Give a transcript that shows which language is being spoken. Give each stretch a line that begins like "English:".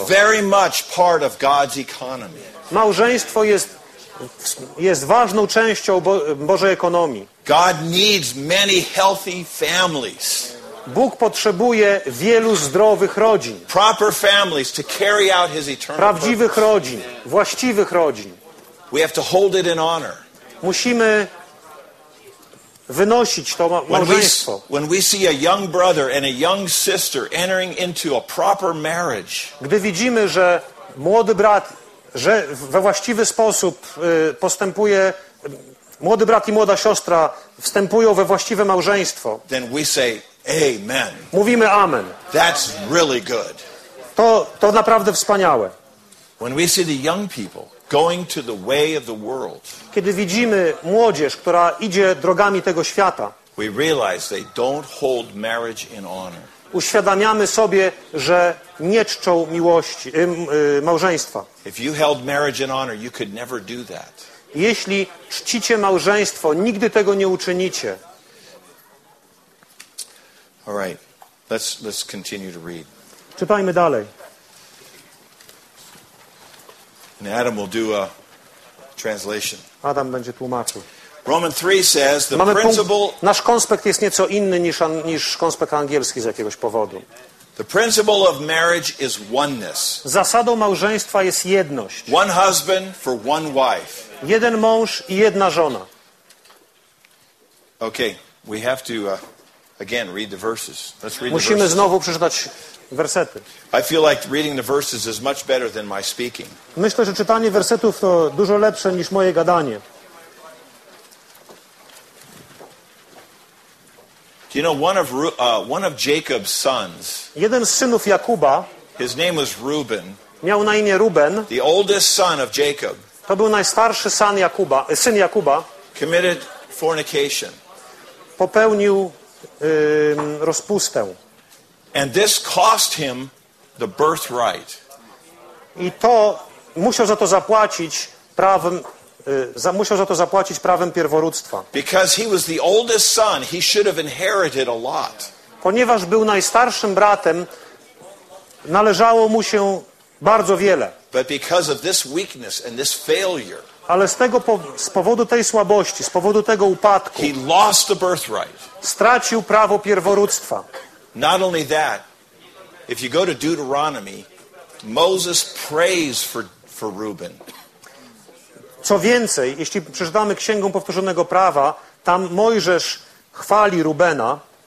English: It's very much part of God's economy.
Polish: Małżeństwo jest ważną częścią Bożej ekonomii.
English: God needs many healthy families.
Polish: Bóg potrzebuje wielu zdrowych rodzin.
English: Proper families to carry out his eternal purpose.
Polish: Prawdziwych rodzin, właściwych rodzin.
English: We have to hold it in honor.
Polish: Musimy wynosić to małżeństwo.
English: When we see a young brother and a young sister entering into a proper marriage,
Polish: gdy widzimy, że młody brat, że we właściwy sposób postępuje, młody brat i młoda siostra wstępują we właściwe małżeństwo,
English: then we say amen.
Polish: Mówimy amen.
English: That's really good.
Polish: To naprawdę wspaniałe.
English: When we see the young people going to the way of the world,
Polish: kiedy widzimy młodzież, która idzie drogami tego świata,
English: we realize they don't hold marriage in honor.
Polish: Uświadamiamy sobie, że nie czczą miłości, małżeństwa.
English: If you held marriage in honor, you could never do that.
Polish: Jeśli czcicie małżeństwo, nigdy tego nie uczynicie.
English: All right. Let's continue to read.
Polish: Czytajmy dalej.
English: And Adam will do a translation.
Polish: Adam będzie tłumaczył.
English: Roman 3 says the principle.
Polish: Nasz konspekt jest nieco inny niż konspekt angielski z jakiegoś powodu.
English: The principle of marriage is oneness.
Polish: Zasadą małżeństwa jest jedność.
English: One husband for one wife.
Polish: Jeden mąż i jedna żona.
English: Okay, we have to again read the verses. Let's read the verses.
Polish: Musimy znowu przeczytać wersety.
English: I feel like reading the verses is much better than my speaking.
Polish: Myślę, że czytanie wersetów to dużo lepsze niż moje gadanie.
English: Do you know one of Jacob's sons?
Polish: Jeden z synów Jakuba.
English: His name was Reuben.
Polish: Miał na imię Ruben.
English: The oldest son of Jacob.
Polish: To był najstarszy syn Jakuba.
English: Committed fornication.
Polish: Popełnił rozpustę.
English: And this cost him the birthright.
Polish: I to musiał za to zapłacić prawem, musiał za to zapłacić prawem pierworództwa.
English: Because he was the oldest son, he should have inherited a lot.
Polish: Ponieważ był najstarszym bratem, należało mu się bardzo wiele.
English: But because of this weakness and this failure,
Polish: ale z powodu tej słabości, z powodu tego upadku,
English: he lost the birthright.
Polish: Stracił prawo pierworództwa.
English: Not only that, if you go to Deuteronomy, Moses prays for Reuben.
Polish: Co więcej, jeśli przeczytamy Księgę Powtórzonego Prawa, tam Mojżesz chwali Rubena.